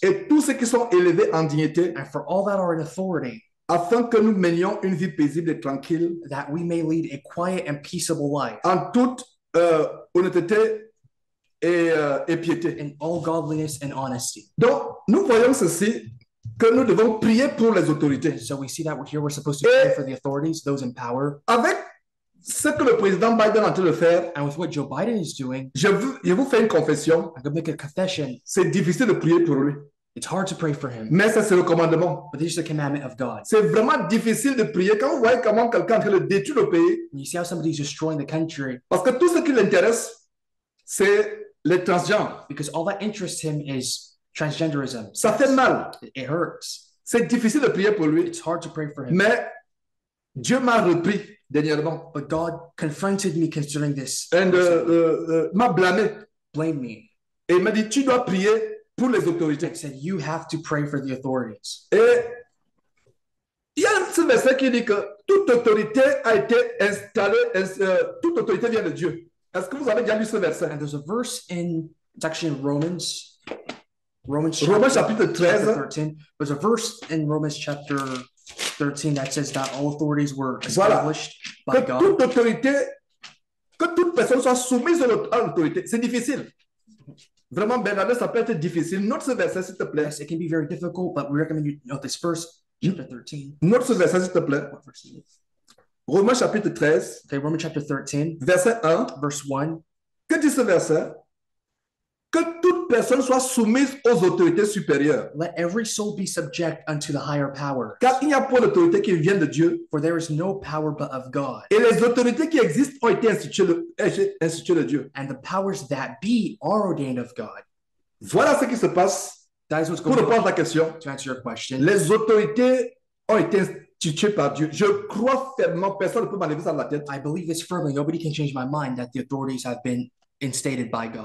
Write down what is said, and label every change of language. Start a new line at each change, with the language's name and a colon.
French: Et tous ceux qui sont élevés en dignité.
English: And for all that are in authority.
French: Afin que nous menions une vie paisible et tranquille.
English: That we may lead a quiet and peaceable life.
French: En toute honnêteté et piété.
English: In all godliness and honesty.
French: Donc, nous voyons ceci. Que nous devons prier pour les autorités.
English: So we see that here we're supposed to pray for the authorities, those in power.
French: Avec ce que le président Biden est en train de faire,
English: and with what Joe Biden is doing,
French: je vous fais une confession.
English: I'm going to make a confession.
French: C'est difficile de prier pour lui.
English: It's hard to pray for him.
French: Mais ça, c'est le commandement.
English: But this is the commandment of God.
French: C'est vraiment difficile de prier quand vous voyez comment quelqu'un est en train de détruire le pays.
English: When you see how somebody is destroying the country.
French: Parce que tout ce qui l'intéresse, c'est les transgenres.
English: Because all that interests him is transgenderism.
French: Ça fait mal.
English: It hurts.
French: C'est difficile de prier pour lui.
English: It's hard to pray for him.
French: Mais Dieu m'a repris dernièrement.
English: But God confronted me concerning this.
French: And m'a blâmé.
English: Blame me.
French: Et m'a dit, tu dois prier pour les autorités.
English: And said, you have to pray for the authorities.
French: Et il y a ce verset qui dit que toute autorité a été installée, toute autorité vient de Dieu. Est-ce que vous avez déjà lu ce verset?
English: And there's a verse in, it's actually in Romans. Romans chapter 13. There's a verse in Romans chapter 13 that says that all authorities were established
French: voilà.
English: By
French: que
English: God.
French: Toute autorité, que toute personne soit soumise à l'autorité, c'est difficile. Vraiment, Bernard, ça peut être difficile. Note ce verset, s'il te plaît.
English: Yes, it can be very difficult, but we recommend you note this verse, chapter 13.
French: Note ce verset, s'il te plaît.
English: Romans chapter 13. Okay, Romans chapter 13.
French: Verset 1.
English: Verse 1.
French: Que dit ce verset? Que toute personne soit soumise aux autorités supérieures.
English: Let every soul be subject unto the higher power.
French: Car il n'y a pas d'autorité qui vient de Dieu.
English: For there is no power but of God.
French: Et les autorités qui existent ont été instituées de Dieu.
English: And the powers that be are ordained of God.
French: Voilà ce qui se passe.
English: That is what's
French: going pour répondre à la question.
English: To answer your question.
French: Les autorités ont été Tu tues par Dieu. Je crois fermement, personne ne peut m'enlever ça de la tête.
English: I believe this firmly. Nobody can change my mind that the authorities have been instated by God.